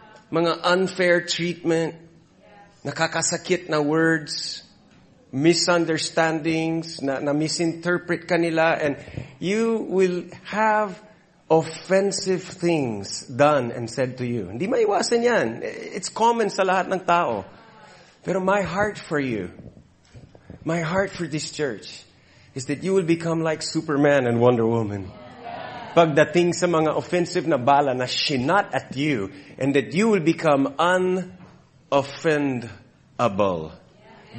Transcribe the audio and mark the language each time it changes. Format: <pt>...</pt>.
<tl>Mga unfair treatment, nakakasakit na words, misunderstandings, na misinterpret kanila,</tl> <en>and you will have offensive things done and said to you.</en> <tl>Hindi maiwasan yan.</tl> <en>It's common</en> <tl>sa lahat ng tao.</tl> <en>Pero my heart for you, my heart for this church, is that you will become like Superman and Wonder Woman. Yeah.</en> <tl>Pagdating sa mga offensive na bala na shinot</tl> <en>at you, and that you will become un-offendable. Yeah.</en>